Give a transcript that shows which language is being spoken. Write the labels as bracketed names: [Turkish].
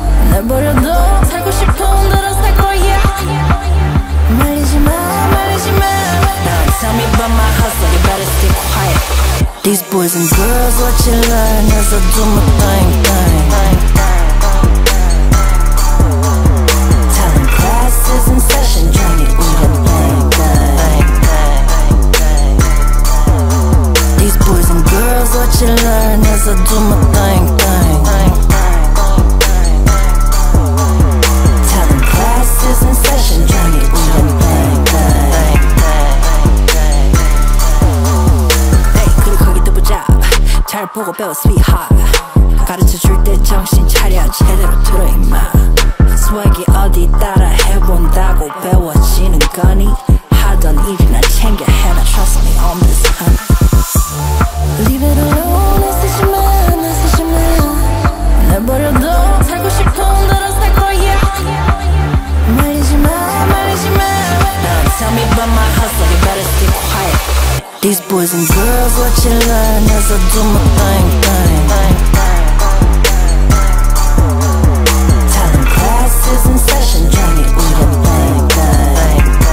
[Korean] 날 버려도 살고 싶은 대로 살 거야. 말리지 마, 말리지 마. [English] Now tell me about my hustle, you better stay quiet. These boys and girls, what you learn as I do my thing, thing. Tell them classes in session, join me with your thing, thing. Boys and girls, what you learn as I do my thing, thing. Tell them classes in session, join me with your thing, thing. [Korean] Hey, 그리고 거기 또 보자. 잘 보고 배워, sweetheart. 가르쳐 줄 때 정신 차려, 제대로 들어 임마. 수학이 어디 따라 해본다고 배워지는 거니? 하던 일이나 챙겨 해라, [English] trust me on this, honey. Leave it alone, [Korean] 있으시면, 있으시면. 날 버려도 살고 싶은 대로 살 거야. 말리지 마, 말리지 마. [English] Now tell me about my hustle, you better stay quiet. These boys and girls, what you learn as I do my thing, thing. Tell them classes in session, join me with your thing, thing.